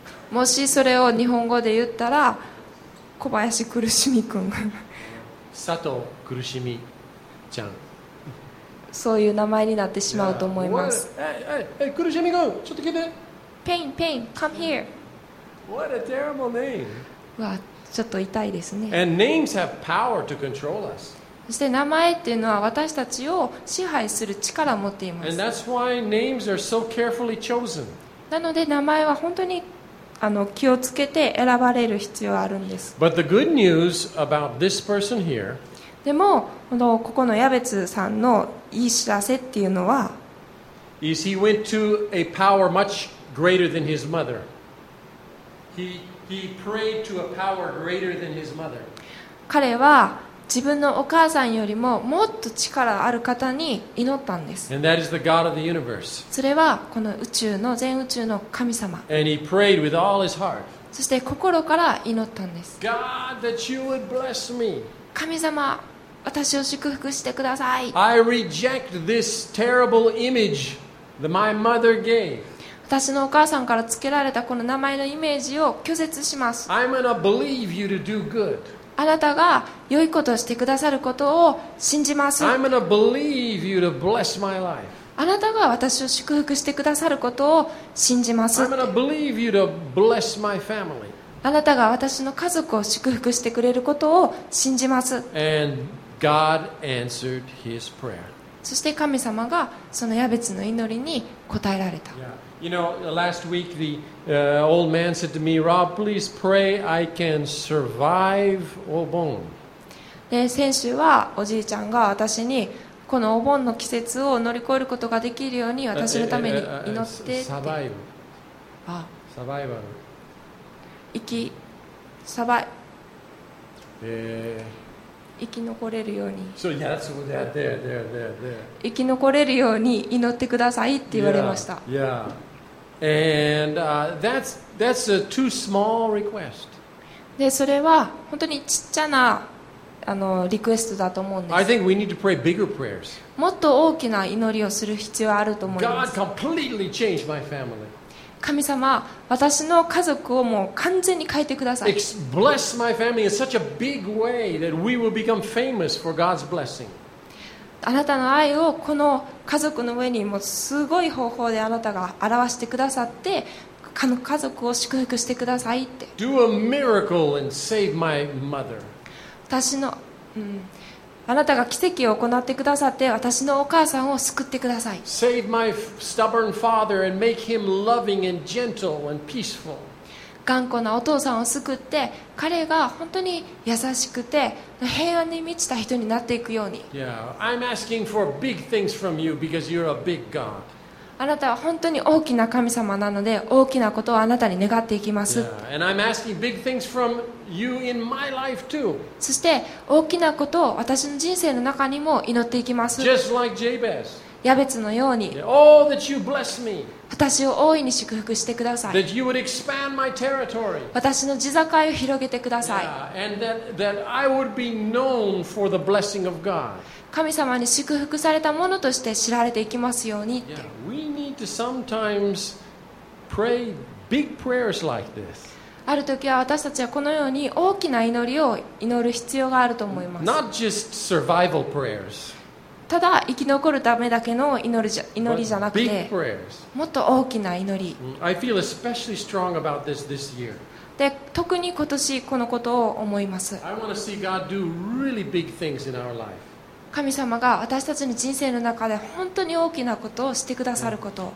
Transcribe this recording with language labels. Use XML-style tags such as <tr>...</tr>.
<ja>もしそれを日本語で言ったら、小林苦しみくん。佐藤苦しみちゃん、そういう名前になってしまうと思います。え、苦しみくん、ちょっと来て。</ja> <en>ペイン、ペイン、come here. What a terrible name.</en> <ja>わ、ちょっと痛いですね。</ja> <en>And names have power to control us.</en> <ja>そして名前っていうのは私たちを支配する力を持っています。</ja> <en>And that's why names are so carefully chosen.</en> <ja>なので名前は本当に気をつけて選ばれる必要があるんです。</ja> <en>But the good news about this person here,</en> <ja>でもここのヤベツさんのいい知らせっていうのは、</ja> <en>is he went to a power much greater than his mother. He prayed to a power greater than his mother.</en> <ja>彼は自分のお母さんよりももっと力ある方に祈ったんです。</ja> <en>And that is the God of the universe.</en> <ja>それはこの宇宙の全宇宙の神様。</ja> <en>And he prayed with all his heart.</en> <ja>そして心から祈ったんです。</ja> <en>God, that you would bless me.</en> <ja>神様、私を祝福してください。</ja> <en>I reject this terrible image that my mother gave.</en> <ja>私のお母さんからつけられたこの名前のイメージを拒絶します。</ja> <en>I'm gonna believe you to do good.</en> <ja>あなたが良いことをしてくださることを信じます。</ja> <en>I'm gonna believe you to bless my life.</en> <ja>あなたが私を祝福してくださることを信じます。</ja> <en>I'm gonna believe you to bless my family.</en> <ja>あなたが私の家族を祝福してくれることを信じます。</ja> <en>And God answered his prayer.</en> <ja>そして神様がそのヤベツの祈りに応えられた。</ja> <en>Yeah. You know, last week the old man said to me, Rob, please pray I can survive Obon.</en> <ja>で、先週はおじいちゃんが私にこのお盆の季節を乗り越えることができるように私のために祈っ て、</ja> <en>サバイブ。あ、サバイバル。</en> <ja>生き、サバイ。生き残れるように。</ja> <en>So, yeah, that's what they're there, there, there, there.</en> <ja>生き残れるように祈ってくださいって言われました。</ja> <en>Yeah. And, that's a too small request.</en> <ja>で、それは本当にちっちゃなあのリクエストだと思うんです。</ja> <en>I think we need to pray bigger prayers.</en> <ja>もっと大きな祈りをする必要あると思います。</ja> <en>God completely changed my family.</en> <ja>神様、私の家族をもう完全に変えてください。</ja> <en>Bless my family in such a big way that we will become famous for God's blessing.</en> <ja>あなたの愛をこの家族の上にもすごい方法であなたが表してくださって、この家族を祝福してくださいって。</ja> <en>Do a miracle and save my mother.</en> <ja>私の、あなたが奇跡を行ってくださって私のお母さんを救ってください。</ja> <en>Save my stubborn father and make him loving and gentle and peaceful.</en> <ja>頑固なお父さんを救って彼が本当に優しくて平安に満ちた人になっていくように。</ja> <en>Yeah, I'm asking for big things from you because you're a big God.</en> <ja>あなたは本当に大きな神様なので大きなことをあなたに願っていきます。</ja> <en>Yeah, and I'm asking big things from you. You in my life too.</en> <ja>そして大きなことを私の人生の中にも祈っていきます。</ja> <en>Just like Jabez.</en> <ja>ヤベツのように。</ja> <en>Oh, that you bless me.</en> <ja>私を大いに祝福してください。</ja> <en>That you would expand my territory.</en> <ja>私の地境を広げてください。</ja> <en>Yeah, and that I would be known for the blessing of God.</en> <ja>神様に祝福されたものとして知られていきますようにって。</ja> <en>Yeah, we need to sometimes pray big prayers like this.</en> <ja>ある時は私たちはこのように大きな祈りを祈る必要があると思います。</ja> <en>Not just survival prayers.</en> <ja>ただ生き残るためだけの祈りじゃなくて、</ja> <en>But big prayers.</en> <ja>もっと大きな祈り。</ja> <en>I feel especially strong about this year.</en> <ja>で、特に今年このことを思います。</ja> <en>I want to see God do really big things in our life.</en> <ja>神様が私たちの人生の中で本当に大きなことをしてくださること。</ja>